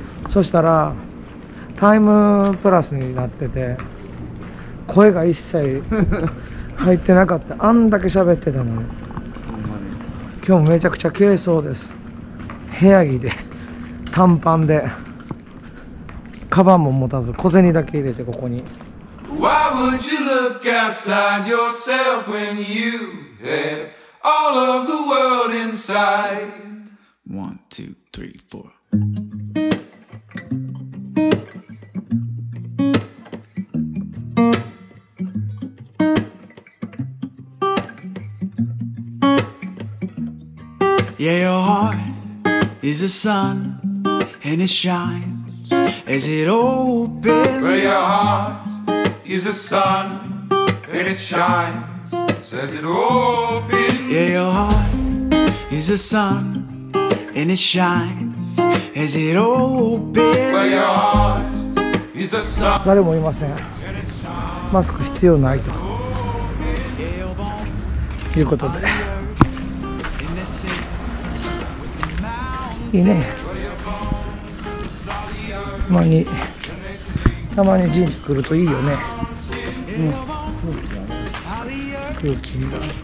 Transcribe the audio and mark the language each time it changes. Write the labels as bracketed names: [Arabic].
[Japanese] そしたらタイムプラスになってて声が一切入ってなかった。あんだけ喋ってたのに。今日もめちゃくちゃ軽装です。部屋着で短パンでカバンも持たず小銭だけ入れてここに。 [English] Why would you look outside yourself when you had all of the world inside? One, two, three, four. Yeah, your heart is a sun and it shines as it opens. Well, your heart is a sun and it shines as it opens. Yeah, your heart is a sun. And it shines as it opens. Well, your heart is a sun. [Japanese] 誰もいません。マスク必要ないと、いうことでいいね。たまに神社来るといいよね、空気が。